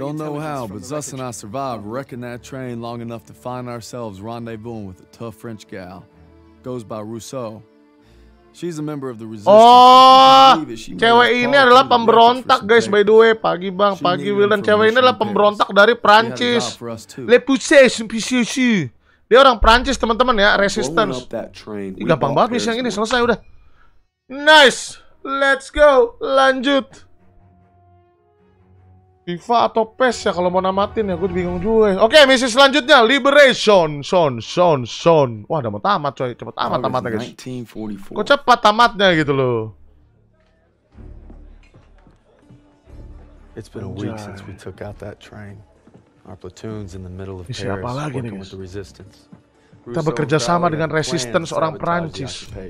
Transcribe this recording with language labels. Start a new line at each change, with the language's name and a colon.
English: Don't know how, but Zuss and I survived wrecking that train long enough to find ourselves rendezvousing with a tough French gal. Goes by Rousseau. She's a member of the resistance.
Indonesian: Oh, cewek ini adalah pemberontak guys,
English: by the way.
Indonesian: Pagi bang, pagi Wilden. Cewek ini adalah pemberontak dari Prancis. Le Poussez, PCC. Dia orang Prancis teman-teman ya, resistance. Ih, gampang banget misi yang ini, selesai udah.
English: Nice, let's go,
Indonesian: lanjut. FIFA atau PES ya, kalau mau namatin ya, gue bingung juga. Oke, okay, misi selanjutnya, Liberation, Son, Son, Son. Wah, udah mau tamat coy, cepet tamat, tamatnya guys. Kok cepat tamatnya gitu loh.
English: It's been a week since we took out that train. Our platoon's in the middle of Paris, working with the resistance.
Indonesian: Kita bekerja sama dengan resistance orang Perancis.